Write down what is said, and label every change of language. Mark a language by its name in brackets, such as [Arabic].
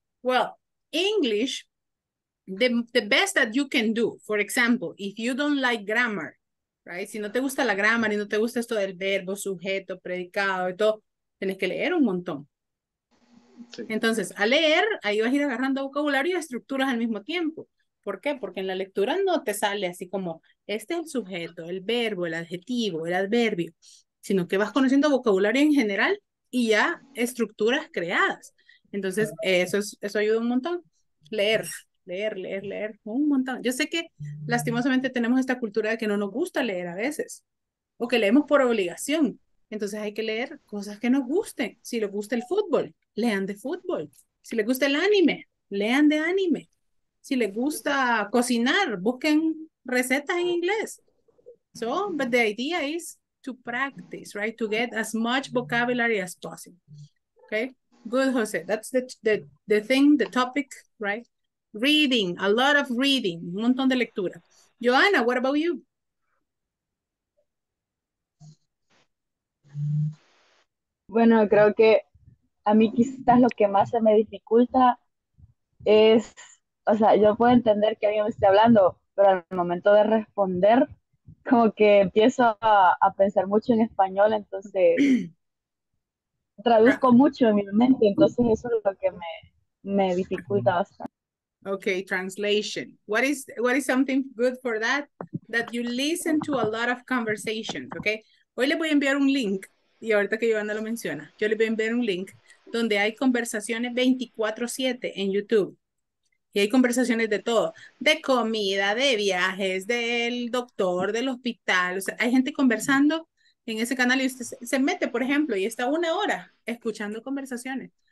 [English] Well, English, the best that you can do, for example, if you don't like grammar, right? [Spanish] Si no te gusta la grammar y no te gusta esto del verbo, sujeto, predicado y todo, tienes que leer un montón. Sí. Entonces, al leer, ahí vas a ir agarrando vocabulario y estructuras al mismo tiempo. ¿Por qué? Porque en la lectura no te sale así como, este es el sujeto, el verbo, el adjetivo, el adverbio, sino que vas conociendo vocabulario en general y ya estructuras creadas. Entonces, eso ayuda un montón. Leer, leer, leer, leer, un montón. Yo sé que lastimosamente tenemos esta cultura de que no nos gusta leer a veces, o que leemos por obligación. Entonces hay que leer cosas que nos gusten. Si les gusta el fútbol, lean de fútbol. Si les gusta el anime, lean de anime. Si les gusta cocinar, busquen recetas en inglés. [English] So, but the idea is to practice, right? To get as much vocabulary as possible. Okay? Good, Jose. That's the thing, the topic, right? Reading, a lot of reading, [Spanish] un montón de lectura. [English] Joanna, what about you? [Spanish] Bueno, creo que a mí quizás lo que más se me dificulta es, o sea, yo puedo entender que alguien me esté hablando, pero al momento de responder, como que empiezo a pensar mucho en español, entonces traduzco mucho en mi mente, entonces eso es lo que me dificulta bastante. [English] Okay, translation. What is something good for that? That you listen to a lot of conversations, okay? [Spanish] Hoy le voy a enviar un link, y ahorita que Joana lo menciona, yo le voy a enviar un link donde hay conversaciones 24/7 en YouTube. Y hay conversaciones de todo, de comida, de viajes, del doctor, del hospital. O sea, hay gente conversando en ese canal y usted se mete, por ejemplo, y está una hora escuchando conversaciones.